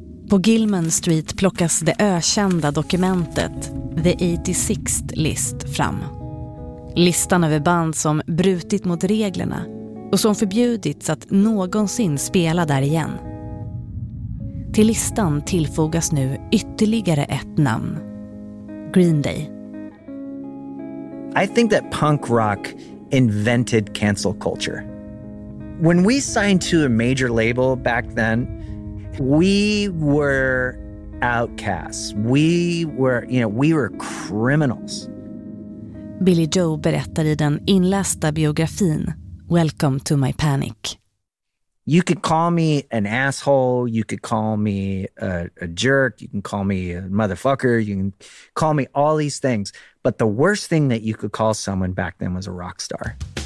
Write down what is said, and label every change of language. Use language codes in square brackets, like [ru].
[sv] På Gilman Street plockas det ökända dokumentet The 86th List fram. Listan över band som brutit mot reglerna och som förbjudits att någonsin spela där igen. Till listan tillfogas nu ytterligare ett namn. Green Day. [en] I think that punk rock invented cancel culture. When we signed to a major label back then, we were outcasts. We were criminals. [sv] Billy Joe berättar i den inlästa biografin Welcome to my panic. [en] You could call me an asshole, you could call me a jerk, you can call me a motherfucker, you can call me all these things. But the worst thing that you could call someone back then was a rock star.